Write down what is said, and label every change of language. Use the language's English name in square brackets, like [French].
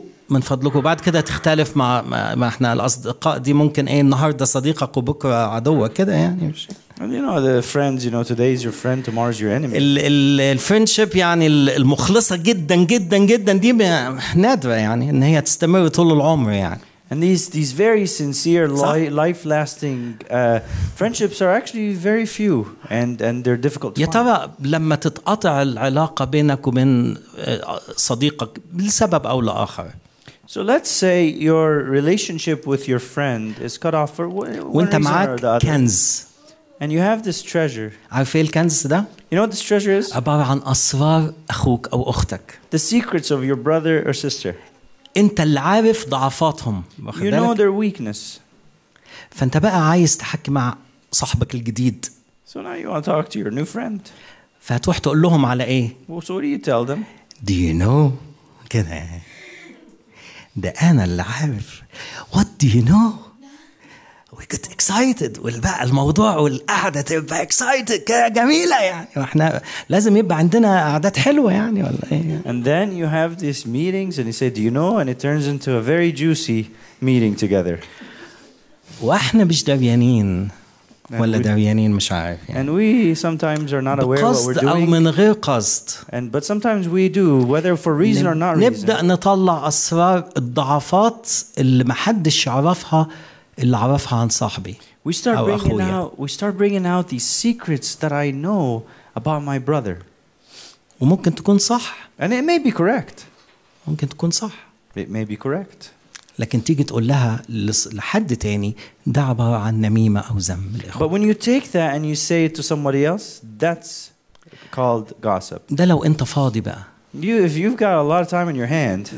[Arabic] من فضلكوا بعد كده تختلف مع ما إحنا الأصدقاء دي ممكن إيه النهاردة صديقك وبكرة عدوك كده يعني. [English] And you know the friends, you know today is your friend, tomorrow is your enemy. [Arabic] ال friendship يعني المخلصة جدا جدا جدا دي نادرة يعني إن هي تستمر طول العمر يعني. [English] And these very sincere life lasting friendships are actually very few and they're difficult. [Arabic] يا ترى لما تتقطع العلاقة بينك وبين صديقك لسبب أو لآخر. [English] So let's say your relationship with your friend is cut off for one reason or the other. [Arabic] كنز. [English] And you have this treasure. [Arabic] عارف الكنز ده؟ [English] You know what this treasure is? [Arabic] عبارة عن أسرار أخوك أو أختك. [English] The secrets of your brother or sister. [Arabic] انت اللي عارف ضعفاتهم [English] you know their weakness [Arabic] فانت بقى عايز تحكي مع صاحبك الجديد [English] so now you want to talk to your new friend [Arabic] فهتروح تقول لهم على ايه [English] well, so what do you tell them do you know [Arabic] كده ده انا اللي عارف [English] what do you know we get excited [Arabic] والبقى الموضوع والقعده تبقى excited كده جميله يعني واحنا لازم يبقى عندنا قعدات حلوه يعني ولا ايه [English] and then you have these meetings and you say do you know and it turns into a very juicy meeting together [Arabic] واحنا مش دريانين ولا دريانين مش عارف يعني [English] and we sometimes are not aware of what we're doing [Arabic] قصد او من غير قصد [English] and but sometimes we do whether for reason or not [Arabic] نبدا نطلع اسرار الضعفات اللي محدش يعرفها اللي عرفها عن صاحبي [English] we start [Arabic] أو أخويا. [English] We start bringing out these secrets that I know about my brother. [Arabic] وممكن تكون صح. [English] And it may be correct. [Arabic] ممكن تكون صح. [English] It may be correct. [Arabic] لكن تيجي تقول لها لحد تاني ده عبارة عن نميمة أو ذم. [English] But when you take that and you say it to somebody else, that's called gossip. [Arabic] ده لو أنت فاضي بقى. [English] You, if you've got a lot of time in your hand.